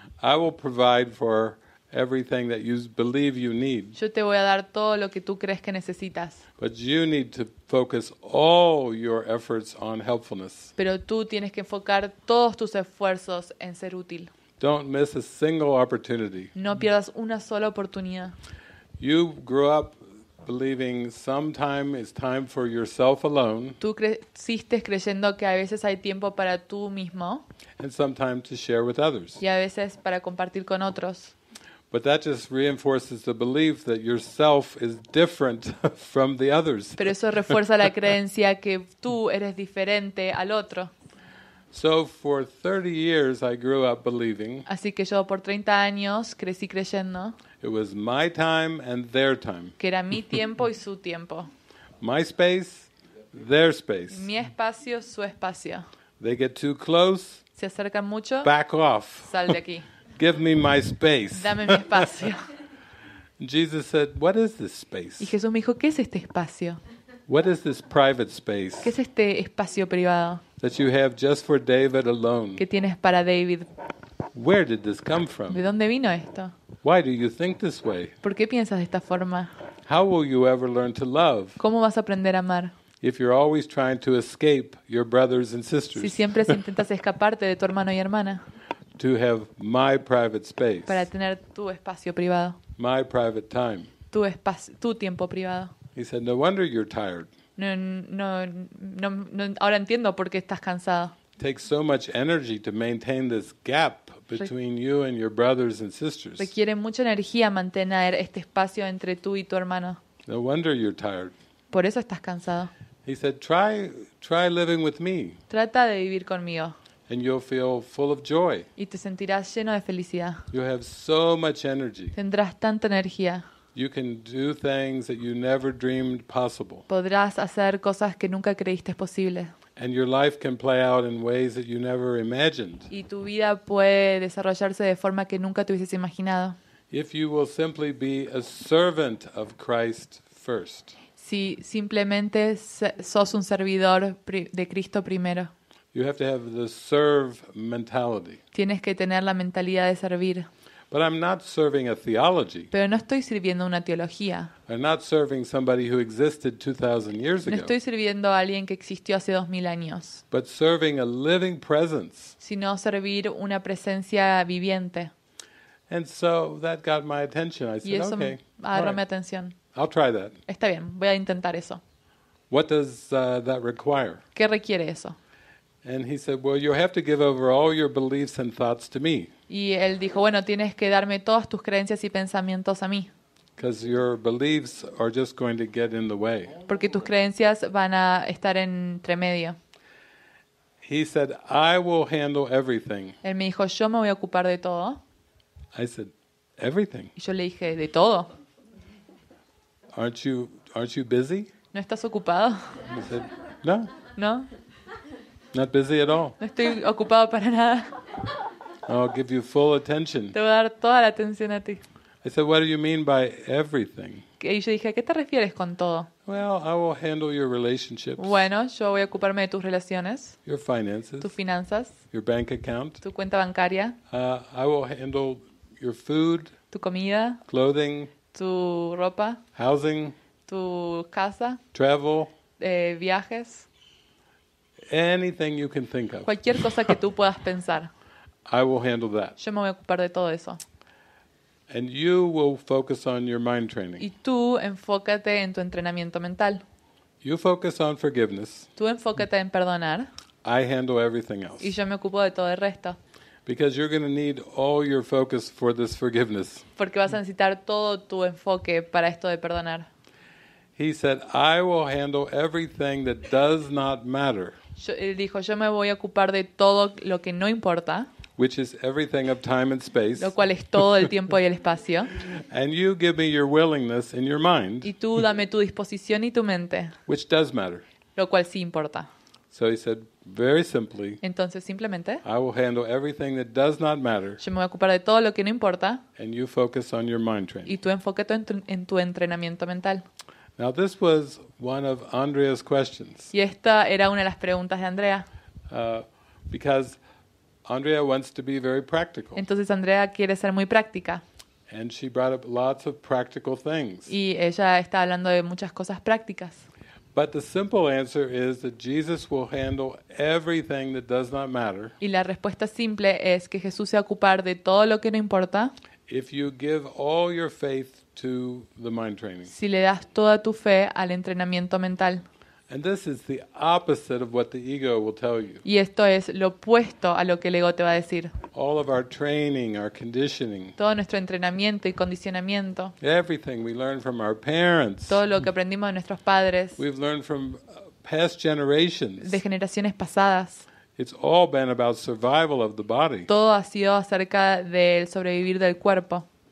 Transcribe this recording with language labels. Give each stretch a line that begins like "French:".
English: I will provide for everything that you believe you need.
Spanish: Yo te voy a dar todo lo que tú crees que necesitas.
English: But you need to focus all your efforts on helpfulness.
Spanish: Pero tú tienes que enfocar todos tus esfuerzos en ser útil.
English: Don't miss a single opportunity.
Spanish: No pierdas una sola oportunidad.
English: You grew up believing sometime is time for yourself alone.
Spanish: Tú creciste creyendo que a veces hay tiempo para tú mismo.
English: And sometimes to share with others.
Spanish: Y a veces para compartir con otros.
English: But that just reinforces the belief that yourself is different from the others.
Spanish: Pero eso refuerza la creencia que tú eres diferente al otro.
English: So for 30 years I grew up believing.
Spanish: Así que yo por 30 años crecí creyendo.
English: It was my time and their time.
Spanish: Que era mi tiempo y su tiempo.
English: My space, their space.
Spanish: Mi espacio, su espacio.
English: They get too close.
Spanish: Se acercan mucho.
English: Back off.
Spanish: Sal de aquí.
English: Give me my space.
Spanish: Dame mi espacio.
English: Jesus said, "What is this space?"
Spanish: Y Jesús me dijo, "¿Qué es este espacio?"
English: What is this private space?
Spanish: ¿Qué es este espacio privado?
English: That you have just for David alone.
Spanish: ¿Qué tienes para David?
English: Where did this come from?
Spanish: ¿De dónde vino esto?
English: Why do you think this way?
Spanish: ¿Por qué piensas de esta forma?
English: How will you ever learn to love?
Spanish: ¿Cómo vas a aprender a amar?
English: If you're always trying to escape your brothers and sisters.
Spanish: Si siempre intentas escaparte de tu hermano y hermana.
English: To have my private space.
Spanish: Para tener tu espacio privado.
English: My private time.
Spanish: Tu tiempo privado.
English: He said, "No wonder you're tired."
Spanish: No, ahora entiendo por qué estás cansado.
English: Takes so much energy to maintain this gap between you and your brothers and sisters.
Spanish: Requiere mucha energía mantener este espacio entre tú y tu hermano.
English: No wonder you're tired.
Spanish: Por eso estás cansado.
English: He said, try living with me.
Spanish: Trata de vivir conmigo.
English: And you'll feel full of joy.
Spanish: Y te sentirás lleno de felicidad.
English: You have so much energy.
Spanish: Tendrás tanta energía.
English: You can do things that you never dreamed possible.
Spanish: Podrás hacer cosas que nunca creíste posible.
English: And your life can play out in ways that you never imagined.
Spanish: Y tu vida puede desarrollarse de forma que nunca te hubieses imaginado.
English: If you will simply be a servant of Christ first.
Spanish: Si simplemente sos un servidor de Cristo primero.
English: You have to have the serve mentality.
Spanish: Tienes que tener la mentalidad de servir.
English: But I'm not serving a theology.
Spanish: Pero no estoy sirviendo una teología.
English: I'm not serving somebody who existed 2,000 years ago.
Spanish: No estoy sirviendo a alguien que existió hace 2,000 años.
English: But serving a living presence.
Spanish: Sino servir una presencia viviente.
English: And so that got my attention. I said, okay.
Spanish: Y eso agarró mi atención.
English: I'll try that.
Spanish: Está bien, voy a intentar eso.
English: What does that require?
Spanish: ¿Qué requiere eso?
English: And he said, well, you have to give over all your beliefs and thoughts to me.
Spanish: Y él dijo, bueno, tienes que darme todas tus creencias y pensamientos a mí.
English: Because your beliefs are just going to get in the way.
Spanish: Porque tus creencias van a estar entre medio.
English: He said, I will handle everything.
Spanish: Él me dijo, yo me voy a ocupar de todo.
English: I said, everything.
Spanish: Y yo le dije, de todo.
English: Aren't you busy?
Spanish: ¿No estás ocupado?
English: He said, no.
Spanish: No.
English: Not busy at all.
Spanish: No estoy ocupado para nada.
English: I'll give you full attention.
Spanish: Te voy a dar toda la atención a ti.
English: I said, what do you mean by everything?
Spanish: Y yo dije, ¿a qué te refieres con todo?
English: Well, I will handle your relationships.
Spanish: Bueno, yo voy a ocuparme de tus relaciones.
English: Your finances.
Spanish: Tus finanzas.
English: Your bank account.
Spanish: Tu cuenta bancaria.
English: I will handle your food.
Spanish: Tu comida.
English: Clothing.
Spanish: Tu ropa.
English: Housing.
Spanish: Tu casa.
English: Travel.
Spanish: Viajes.
English: Anything you can think of.
Spanish: Cualquier cosa que tú puedas pensar.
English: I will handle that.
Spanish: Yo me voy a ocupar de todo eso.
English: And you will focus on your mind training.
Spanish: Y tú enfócate en tu entrenamiento mental.
English: You focus on forgiveness.
Spanish: Tú enfócate en perdonar.
English: I handle everything else.
Spanish: Y yo me ocupo de todo el resto.
English: Because you're going to need all your focus for this forgiveness.
Spanish: Porque vas a necesitar todo tu enfoque para esto de perdonar.
English: He said, I will handle everything that does not matter.
Spanish: Él dijo, yo me voy a ocupar de todo lo que no importa.
English: Which is everything of time and space.
Spanish: Lo cual es todo el tiempo y el espacio.
English: And you give me your willingness and your mind.
Spanish: Y tú dame tu disposición y tu mente.
English: Which does matter.
Spanish: Lo cual sí importa.
English: So he said, very simply.
Spanish: Entonces simplemente.
English: I will handle everything that does not matter.
Spanish: Yo me voy a ocupar de todo lo que no importa.
English: And you focus on your mind training.
Spanish: Y tú enfócate en tu entrenamiento mental.
English: Now this was one of Andrea's questions.
Spanish: Y esta era una de las preguntas de Andrea.
English: Because Andrea wants to be very practical.
Spanish: Entonces Andrea quiere ser muy práctica.
English: And she brought up lots of practical things.
Spanish: Y ella está hablando de muchas cosas prácticas.
English: But the simple answer is that Jesus will handle everything that does not matter.
Spanish: Y la respuesta simple es que Jesús se va a ocupar de todo lo que no importa.
English: If you give all your faith to the mind training.
Spanish: Si le das toda tu fe al entrenamiento mental.
English: And this is the opposite of what the ego will tell you.
Spanish: Y esto es lo opuesto a lo que el ego te va a decir.
English: All of our training, our conditioning.
Spanish: Todo nuestro entrenamiento y condicionamiento.
English: Everything we learn from our parents.
Spanish: Todo lo que aprendimos de nuestros padres.
English: We've learned from past generations.
Spanish: De generaciones pasadas.
English: It's all been about survival of the body.
Spanish: Todo ha sido acerca del sobrevivir del cuerpo.